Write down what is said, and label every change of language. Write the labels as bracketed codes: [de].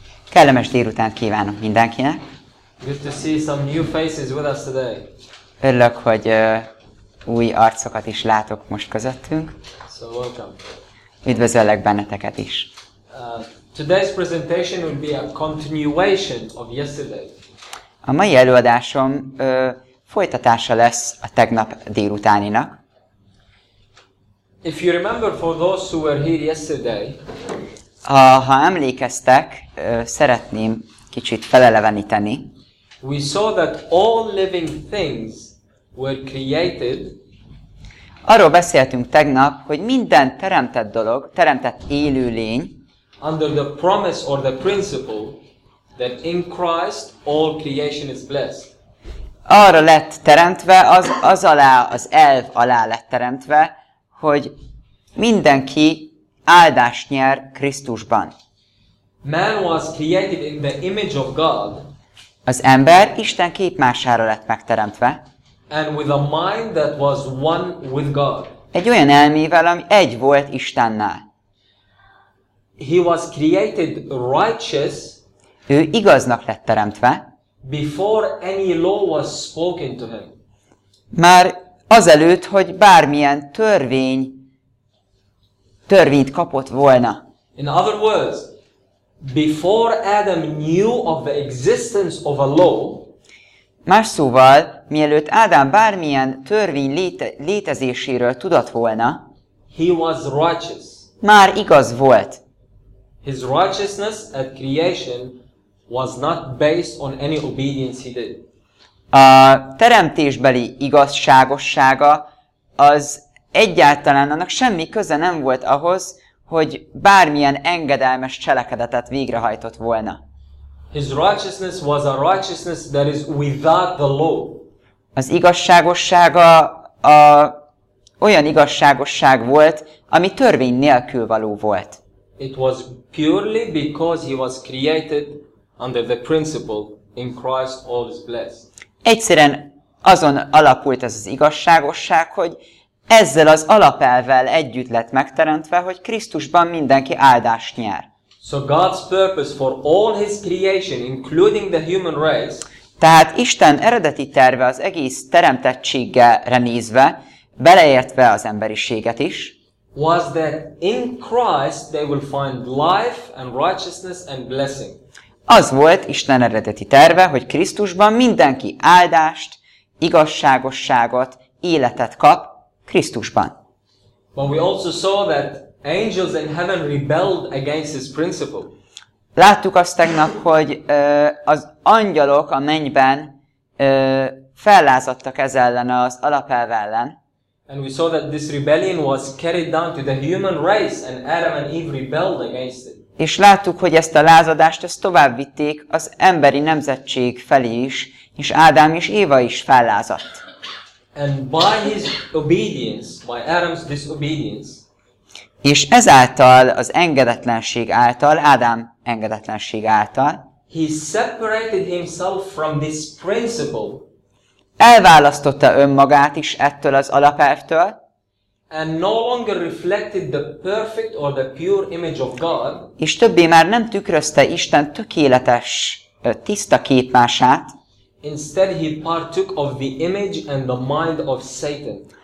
[hu] Kellemes délutánt kívánok mindenkinek. [en] Good to see some new faces with us today. [hu] Örülök, hogy új arcokat is látok most közöttünk. [en] So welcome. [hu] Üdvözöllek benneteket is. [en] Today's presentation will be a continuation of yesterday. [hu] A mai előadásom folytatása lesz a tegnap délutáninak. [en] If you remember, for those who were here yesterday. [hu] Ha emlékeztek, szeretném kicsit feleleveníteni. [en] We saw that all living things were created. [hu] Arról beszéltünk tegnap, hogy minden teremtett dolog, teremtett élőlény. [en] Under the promise or the principle that in Christ all creation is blessed. [hu] Arra lett teremtve, az alá, az elv alá lett teremtve, hogy mindenki áldást nyer Krisztusban. [en] Man was created in the image of God. [hu] Az ember Isten képmására lett megteremtve. [en] And with a mind that was one with God. [hu] Egy olyan elmével, ami egy volt Istennel. [en] He was created righteous. [hu] Ő igaznak lett teremtve. [en] Before any law was spoken to him. [hu] Már azelőtt, hogy bármilyen törvényt kapott volna. [en] In other words, before Adam knew of the existence of a law, [hu] más szóval, mielőtt Ádám bármilyen törvény létezéséről tudott volna, [en] he was righteous. [hu] Már igaz volt. [en] His righteousness at creation was not based on any obedience he did. [hu] A teremtésbeli igazságossága az egyáltalán annak semmi köze nem volt ahhoz, hogy bármilyen engedelmes cselekedetet végrehajtott volna. [en] His righteousness was a righteousness that is without the law. [hu] Az igazságossága olyan igazságosság volt, ami törvény nélkül való volt. [en] It was purely because he was created under the principle in Christ all is blessed. [hu] Egyszerűen azon alapult ez az igazságosság, hogy ezzel az alapelvel együtt lett megteremtve, hogy Krisztusban mindenki áldást nyer. [en] So God's purpose for all his creation, including the human race. [hu] Tehát Isten eredeti terve az egész teremtettségre nézve, beleértve az emberiséget is. [en] Was that in Christ they will find life and righteousness and blessing. [hu] Az volt Isten eredeti terve, hogy Krisztusban mindenki áldást, igazságosságot, életet kap. Krisztusban. [en] But we also saw that angels in heaven rebelled against his principle. [hu] Láttuk azt tegnap, hogy az angyalok a mennyben fellázadtak ez ellen az alapelv ellen. [en] And we saw that this rebellion was carried down to the human race and Adam and Eve rebelled against it. [hu] És láttuk, hogy ezt a lázadást ezt tovább vitték az emberi nemzetség felé is, és Ádám és Éva is fellázadt. [en] And by his obedience, by Adam's disobedience. [hu] És ezáltal az engedetlenség által, Ádám engedetlenség által, [en] he separated himself from this principle. [hu] Elválasztotta önmagát is ettől az alapelvtől. [en] And no longer reflected the perfect or the pure image of God. [hu] És többé már nem tükrözte Isten tökéletes, tiszta képmását. [en] Instead he partook of the image and the mind of Satan.